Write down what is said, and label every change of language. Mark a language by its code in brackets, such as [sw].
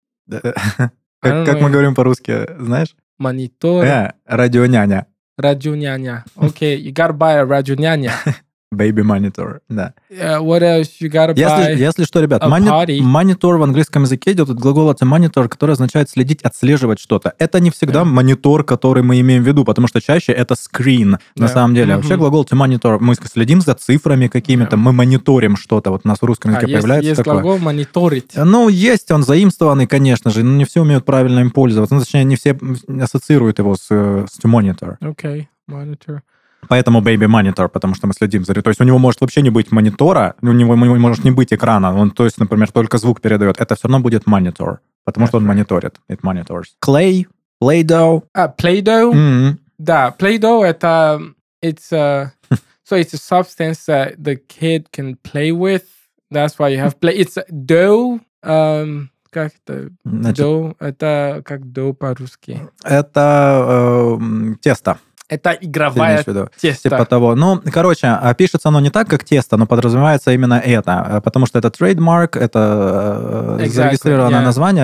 [ru] Как мы говорим по-русски, знаешь? Монитор. Yeah, радионяня. Радионяня. [en] Okay, you gotta buy a радионяня. Baby monitor, да. Yeah, what else you gotta buy? [ru] Если что, ребят, монитор в английском языке идет от глагола to monitor, который означает следить, отслеживать что-то. Это не всегда yeah. монитор, который мы имеем в виду, потому что чаще это screen yeah. на самом деле. Mm-hmm. Вообще глагол to monitor, мы следим за цифрами какими-то, yeah. мы мониторим что-то, вот у нас в русском языке появляется есть такое. Есть глагол мониторить. Ну, есть, он заимствованный, конечно же, но не все умеют правильно им пользоваться. Ну, точнее, не все ассоциируют его с to monitor. [en] Okay, monitor. [ru] Поэтому baby monitor, потому что мы следим за... То есть у него может вообще не быть монитора, у него может не быть экрана, он, то есть, например, только звук передает. Это все равно будет монитор, потому что он мониторит. [en] It monitors. Clay? Play-Doh? Play-Doh? Mm-hmm. [ru] Да, Play-Doh это... [en] It's a, so it's a substance that the kid can play with. That's why you have play... It's dough, [ru] Как это? Значит, доу, это как доу по-русски. Это тесто. Это игровая тесто. Типа того. Ну, короче, пишется оно не так, как тесто, но подразумевается именно это. Потому что это трейдмарк, это зарегистрированное название.